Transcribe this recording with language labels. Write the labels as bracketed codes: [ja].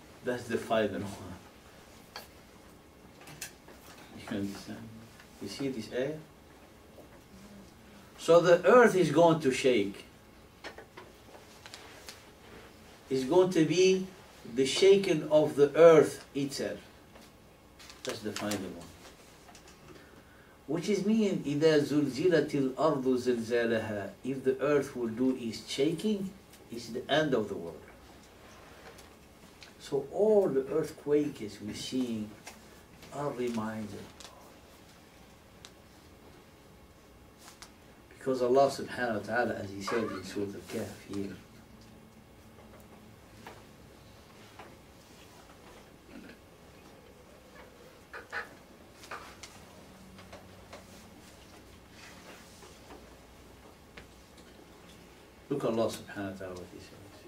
[en] That's the final one. You understand? You see this air? So the earth is going to shake. It's going to be the shaking of the earth itself. That's the final one. Which is mean, [ar] إِذَا زُلْزِلَتِ الْأَرْضُ زِلْزَالَهَا. [en] If the earth will do its shaking, it's the end of the world. So all the earthquakes we're seeing are reminders. Because Allah subhanahu wa ta'ala, as He said in Surah Al-Kahf here, look at Allah subhanahu wa ta'ala what He says.